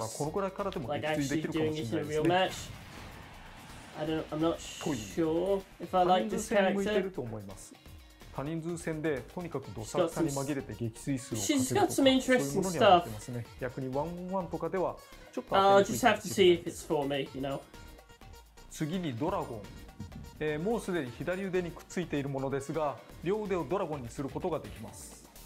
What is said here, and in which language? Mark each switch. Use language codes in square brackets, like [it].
[ja] ルトのがこのくらいからでも撃墜できるかもしれないですね。 [en] I'm not sure if I like this character. [ja] 向いてると思います。他人数戦でとにかくどさくさに紛れて撃墜数をかけるとか、そういうものにはなってますね。逆にワンオンワンとかではちょっと当てにくいかもしれないです。次にドラゴン、もうすでに左腕にくっついているものですが、両腕をドラゴンにすることができます。